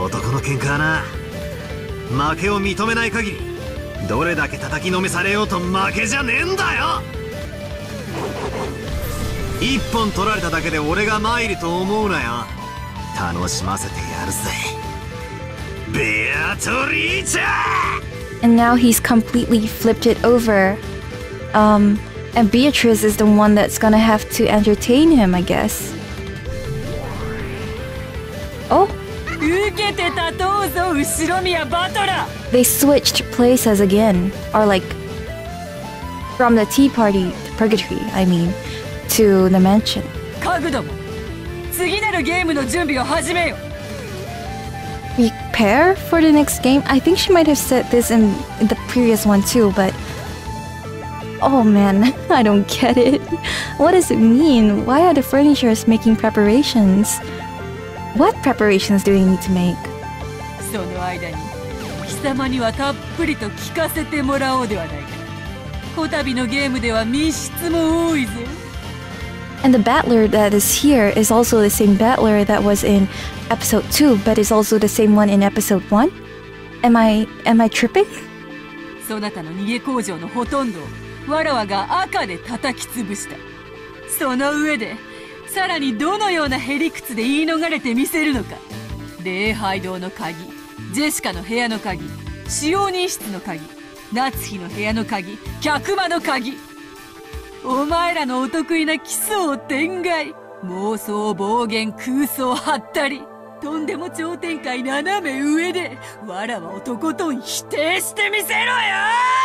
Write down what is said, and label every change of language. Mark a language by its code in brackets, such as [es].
[ja] 男の喧嘩はな、負けを認めない限りどれだけ叩きのめされようと負けじゃねえんだよ。一本取られただけで俺が参ると思うなよ。楽しませてやるぜ、ベアトリーチェ。 [en] And now he's completely flipped it over. And Beatrice is the one that's gonna have to entertain him, I guess. Oh! [ja] 受けて立とうぞ、後ろ宮バトラ。 [en] They switched places again. Or like, from the tea party, to purgatory, I mean, to the mansion. [ja] 家具ども、次なるゲームの準備を始めよ。 [en] Prepare for the next game? I think she might have said this in the previous one too, but... Oh man, I don't get it. What does it mean? Why are the furnitures making preparations? What preparations do they need to make? [ja] その間に、貴様にはたっぷりと聞かせてもらおうではないか。こたびのゲームでは密室も多いぞ。 [en] And the battler that is here is also the same battler that was in episode 2, but is also the same one in episode 1? Am I tripping? [ja] そなたの逃げ工場のほとんどわらわが赤で叩き潰した。その上でさらにどのようなへりくつで言い逃れてみせるのか。礼拝堂の鍵、ジェシカの部屋の鍵、使用人室の鍵、夏日の部屋の鍵、客間の鍵、お前らのお得意な奇想天外、妄想暴言空想はったり、とんでも頂点界斜め上でわらわをとことん否定してみせろよ。